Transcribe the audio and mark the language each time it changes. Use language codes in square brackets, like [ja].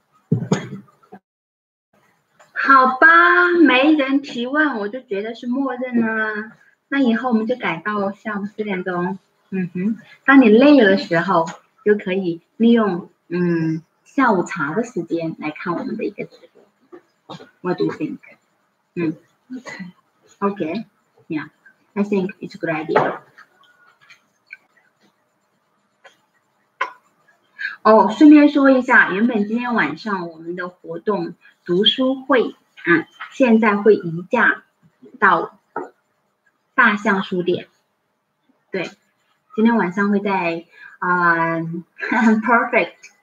[zh] (笑)好吧，没人提问，我就觉得是默认了。那以后我们就改到下午4点钟。当你累了的时候，就可以利用下午茶的时间来看我们的一个直播。 [en] What do you think? Okay, yeah, I think it's a good idea. [zh] Oh, 顺便说一下，原本今天晚上我们的活动读书会，现在会移驾到大象书店。对，今天晚上会在perfect.